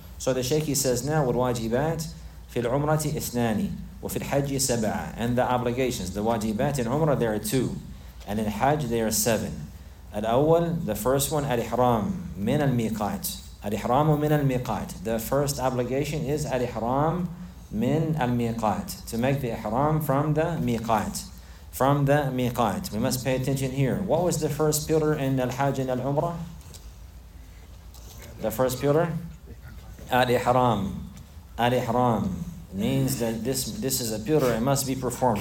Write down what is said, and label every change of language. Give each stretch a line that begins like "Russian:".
Arabic: So the Shaykh, he says, now, والواجبات في العمرة اثنان وفي الحج سبعة.
English: And the obligations, the wajibat in Umrah, there are two. And in Hajj, there are seven.
Arabic: الأول, the first one, الإحرام من الميقات. الإحرام من الميقات.
English: The first obligation is الإحرام من الميقات. To make the إحرام from the ميقات. From the ميقات. We must pay attention here. What was the first pillar in Al-Hajj and Al-Umrah? The first pillar? Al-Ihram. Al-Ihram means that this is a pillar, it must be performed.